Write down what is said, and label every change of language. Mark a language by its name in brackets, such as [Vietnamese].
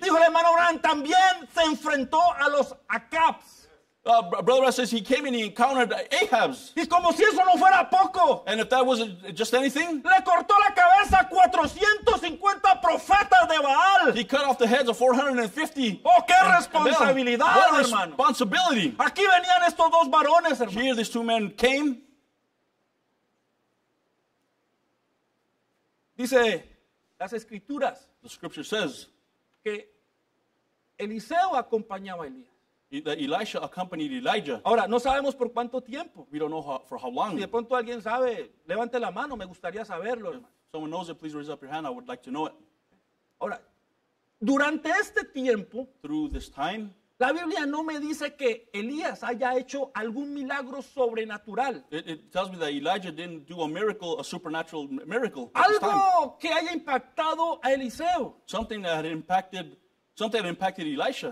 [Spanish] Dijo el hermano Branham, también se enfrentó a los Acabs. [English] Brother says he came and he encountered Ahabs. [Spanish] Y como si eso no fuera poco. [English] And if that wasn't just anything. [Spanish] Le cortó la cabeza a 450 profetas de Baal. [English] He cut off the heads of 450. [Spanish] Oh, qué responsabilidad, [English] what [Spanish] hermano. [English] Responsibility. [Spanish] Aquí venían estos dos varones, hermano. [English] Here these two men came. [Spanish] Dice las escrituras. [English] The scripture says. [Spanish] Que Eliseo acompañaba a Elías. [English] that Elisha accompanied Elijah. [Spanish] Ahora, no sabemos por cuánto tiempo. [English] We don't know how, for how long. [Spanish] Si de pronto alguien sabe, levante la mano, me gustaría saberlo. [English] If someone knows it, please raise up your hand, I would like to know it. [Spanish] Ahora, durante este tiempo, [English] through this time, [Spanish] la Biblia no me dice que Elías haya hecho algún milagro sobrenatural. [English] It tells me that Elijah didn't do a miracle, a supernatural miracle. [Spanish] Algo que haya impactado a Eliseo. [English] Something that impacted Elisha.